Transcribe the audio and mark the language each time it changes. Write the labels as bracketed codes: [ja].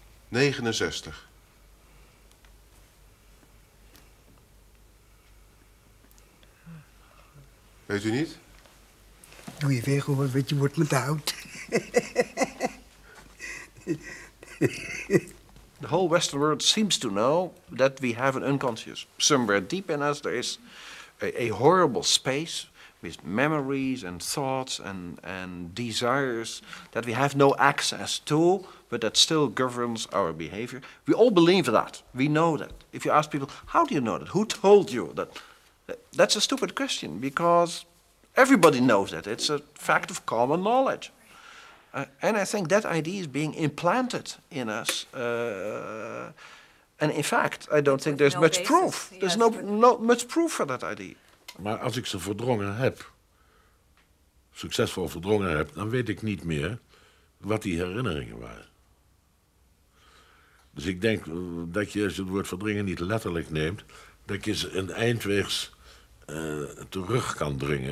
[nl] '69. Weet u niet? Doe je weer gewoon, want je wordt met de hout. [en] The whole Western world seems to know that we have an unconscious. Somewhere deep in us there is a horrible space with memories and thoughts and desires that we have no access to, but that still governs our behavior. We all believe that. We know that. If you ask people, how do you know that? Who told you that? That's a stupid question, because everybody knows that. It's a fact of common knowledge. And I think that idea is being implanted in us. And in fact, I don't think there's much proof. There's not much proof for that idea. [nl] Maar als ik ze verdrongen heb, succesvol verdrongen heb, dan weet ik niet meer wat die herinneringen waren. Dus ik denk dat je het woord verdringen niet letterlijk neemt, dat je ze een eindweegs terug kan dringen.